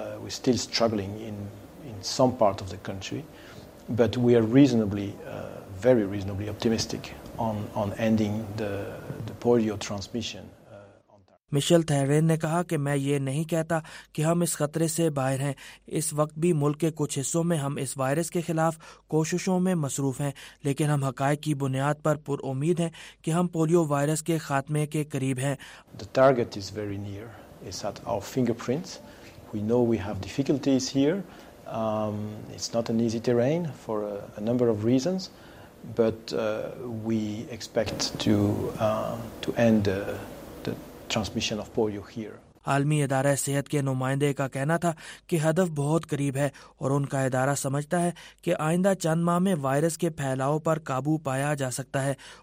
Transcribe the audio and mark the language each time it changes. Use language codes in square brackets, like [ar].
[en] We're still struggling in some part of the country, but we are very reasonably optimistic on ending the polio transmission. [ur] مشل تھیرین نے کہا کہ میں یہ نہیں کہتا کہ ہم اس خطرے سے باہر ہیں. اس وقت بھی ملک کے کچھ حصوں میں ہم اس وائرس کے خلاف کوششوں میں مصروف ہیں, لیکن ہم حقائق کی بنیاد پر پر امید ہیں کہ ہم پولیو وائرس کے خاتمے کے قریب ہیں. [en] The target is very near. It's at our fingerprints. We know we have difficulties here. It's not an easy terrain for a number of reasons, but we expect to end the transmission of polio here. [ur] عالمی ادارہ صحت کے نمائندے کا کہنا تھا کہ ہدف بہت قریب ہے اور ان کا ادارہ سمجھتا ہے کہ آئندہ چند ماہ میں وائرس کے پھیلاؤ پر قابو پایا جا سکتا ہے.